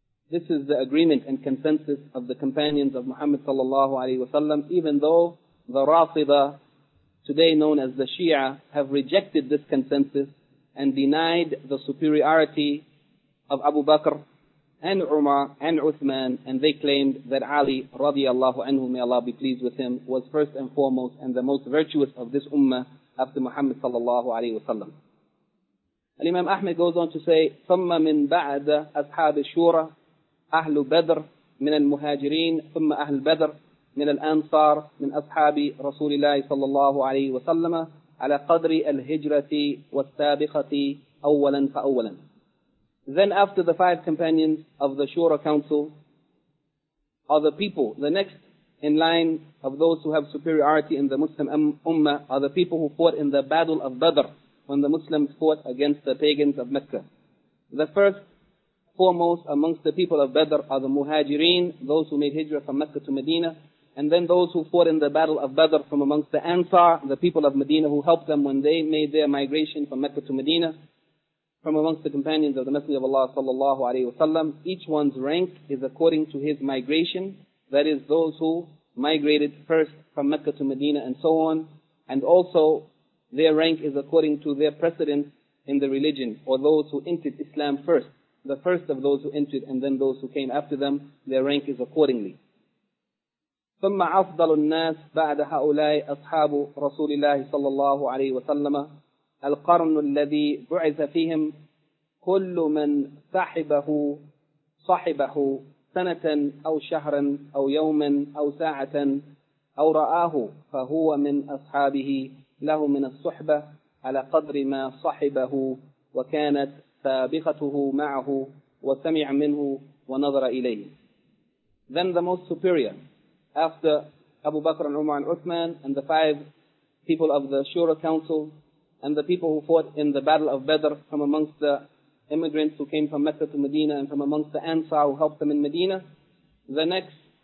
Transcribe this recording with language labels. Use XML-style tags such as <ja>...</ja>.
<en>This is the agreement and consensus of the companions of Muhammad sallallahu alaihi wasallam, even though the Rafida, today known as the Shia, have rejected this consensus and denied the superiority of Abu Bakr and Umar and Uthman, and they claimed that Ali radiallahu anhu, may Allah be pleased with him, was first and foremost and the most virtuous of this ummah after Muhammad sallallahu alaihi wasallam. Al-Imam Ahmed goes on to say,</en> <ar>ثم من بعد أصحاب الشورى أهل بدر من المهاجرين ثم أهل بدر من الأنصار من أصحاب رسول الله صلى الله عليه وسلم على قدر الهجرة والسابقة أولا فأولا.</ar> <en>Then after the five companions of the Shura Council are the people, the next in line of those who have superiority in the Muslim Ummah are the people who fought in the Battle of Badr when the Muslims fought against the pagans of Mecca. The first foremost amongst the people of Badr are the Muhajireen, those who made Hijrah from Mecca to Medina, and then those who fought in the Battle of Badr from amongst the Ansar, the people of Medina who helped them when they made their migration from Mecca to Medina, from amongst the companions of the Messenger of Allah sallallahu alaihi wasallam. Each one's rank is according to his migration, that is those who migrated first from Mecca to Medina and so on, and also their rank is according to their precedence in the religion, or those who entered Islam first, the first of those who entered, and then those who came after them, their rank is accordingly.</en> <ar>ثم أفضل الناس بعد هؤلاء أصحاب رسول الله صلى الله عليه وسلم القرن الذي بعث فيهم كل من صاحبه صاحبه سنة أو شهرا أو يوما أو ساعة أو رآه فهو من أصحابه له من الصحبة على قدر ما صاحبه وكانت سابقته معه وسمع منه ونظر إليه.</ar> <en>Then the most superior, after Abu Bakr and Umar and Uthman and the five people of the Shura Council and the people who fought in the Battle of Badr from amongst the immigrants who came from Mecca to Medina and from amongst the Ansar who helped them in Medina, the next</en>